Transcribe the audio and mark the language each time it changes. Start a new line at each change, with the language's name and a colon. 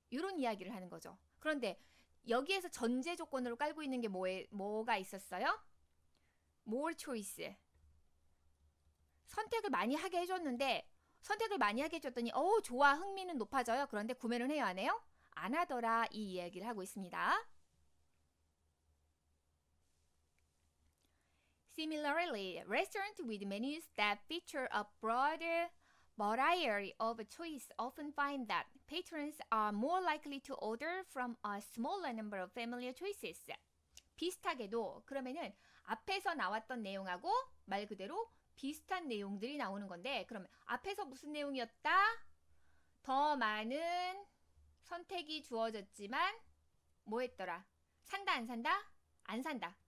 Korean: 이런 이야기를 하는 거죠. 그런데 여기에서 전제 조건으로 깔고 있는 게 뭐가 있었어요?
English: More choice.
Korean: 선택을 많이 하게 해줬는데, 선택을 많이 하게 해줬더니, 어우, 좋아, 흥미는 높아져요. 그런데 구매는 해요, 안 해요? 안 하더라, 이 이야기를 하고 있습니다.
English: Similarly, restaurants with menus that feature a broader variety of choice often find that patrons are more likely to order from a smaller number of familiar choices.
Korean: 비슷하게도, 그러면은 앞에서 나왔던 내용하고 말 그대로 비슷한 내용들이 나오는 건데, 그러면 앞에서 무슨 내용이었다? 더 많은 선택이 주어졌지만, 뭐 했더라? 산다, 안 산다? 안 산다.